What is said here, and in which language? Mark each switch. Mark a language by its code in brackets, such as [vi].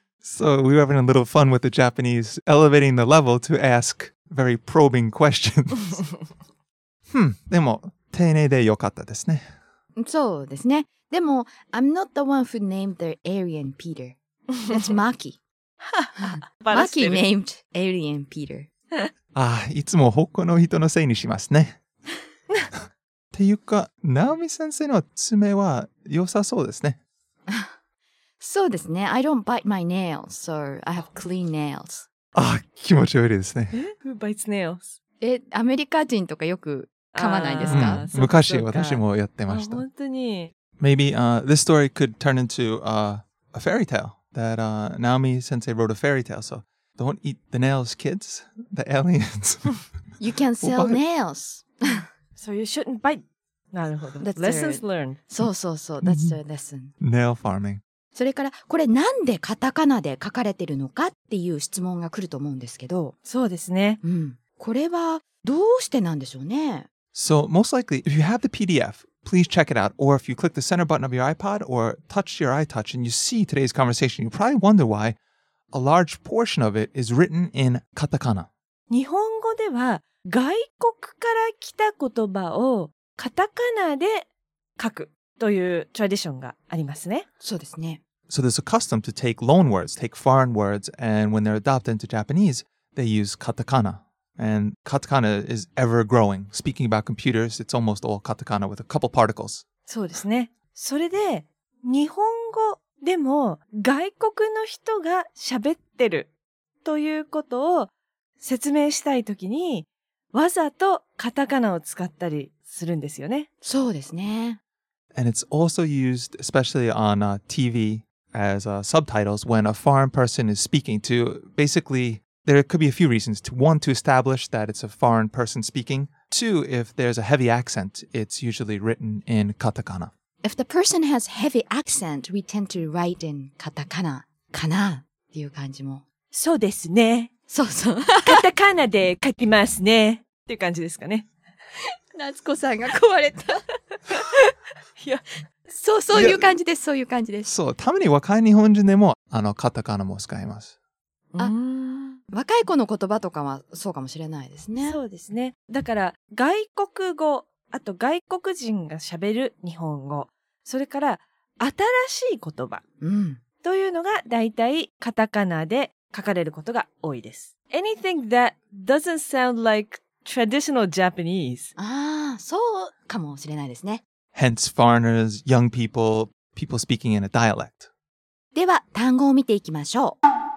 [en] So we were having a little fun with the Japanese elevating the level to ask very probing questions. [ja] でも、丁寧で良かったですね。そうですね。でも、 [en] I'm not the one who named the alien Peter. That's Maki. Maki named alien Peter. [ja] あ、いつも他の人のせいにしますね。っていうか、ナオミ先生の爪は良さそうですね。そうですね。 [en] I don't bite my nails, so I have clean nails. [ja] あ、気持ち悪いですね。 [en] Who bites nails? [ja] アメリカ人とかよく噛まないですか？昔私もやってました。本当に。 [en] Maybe this story could turn into a fairy tale that Naomi Sensei wrote a fairy tale. So don't eat the nails, kids. The aliens. You can sell well, nails. So you shouldn't bite. That's lessons their... learned. So, so, so. That's the lesson. Nail farming. [ja] それからこれなんでカタカナで書かれてるのかっていう質問が来ると思うんですけど。そうですね。うん。これはどうしてなんでしょうね。 [en] So most likely, if you have the PDF, please check it out. Or if you click the center button of your iPod or touch your iTouch and you see today's conversation, you probably wonder why a large portion of it is written in katakana. [ja] 日本語では外国から来た言葉をカタカナで書くというトラディションがありますね。そうですね。 [en] So there's a custom to take loan words, take foreign words, and when they're adopted into Japanese, they use katakana. And katakana is ever growing. Speaking about computers, it's almost all katakana with a couple particles. [ja] そうですね。それで、日本語でも外国の人が喋ってるということを説明したいときに、わざとカタカナを使ったりするんですよね。そうですね。 [en] And it's also used, especially on TV, as subtitles when a foreign person is speaking to basically... There could be a few reasons. One, to establish that it's a foreign person speaking. Two, if there's a heavy accent, it's usually written in katakana. If the person has heavy accent, we tend to write in katakana. [ja] かなっていう感じも。そうですね。そうそう。カタカナで書きますね。っていう感じですかね。夏子さんが壊れた。いや、そうそういう感じです。そういう感じです。そう。たまに若い日本人でも、カタカナも使います。あ、若い子の言葉とかはそうかもしれないですね。そうですね。だから外国語、あと外国人が喋る日本語、それから新しい言葉、うん、というのがだいたいカタカナで書かれることが多いです。 [en] Anything that doesn't sound like traditional Japanese. [ja] ああ、そうかもしれないですね。 [en] Hence foreigners, young people, people speaking in a dialect. [ja] では単語を見ていきましょう。